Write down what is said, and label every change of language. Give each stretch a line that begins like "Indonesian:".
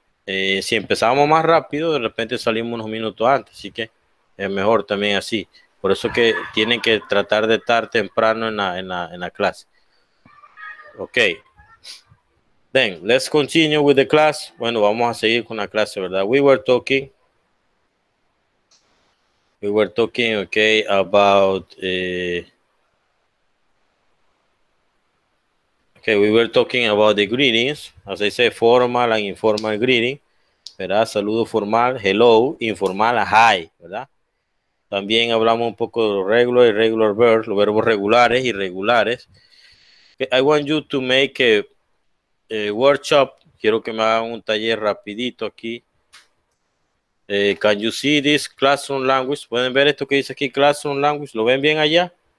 Spanish: Si empezamos más rápido, de repente salimos unos minutos antes, así que es mejor también así. Por eso que tienen que tratar de estar temprano en la clase. Ok.
English: Then, let's continue with the class.
Spanish: Bueno, vamos a seguir con la clase, ¿verdad?
English: We were talking, okay, about, we were talking about the greetings, as I say, formal and informal greeting, ¿verdad?
Spanish: Saludo formal, hello, informal, hi, ¿verdad? También hablamos un poco de los regular y
English: regular verbs,
Spanish: los verbos regulares y irregulares.
English: I want you to make a workshop,
Spanish: quiero que me hagan un taller rapidito aquí.
English: Can you see this classroom language?
Spanish: ¿Pueden ver esto que dice aquí, classroom language? ¿Lo ven bien allá?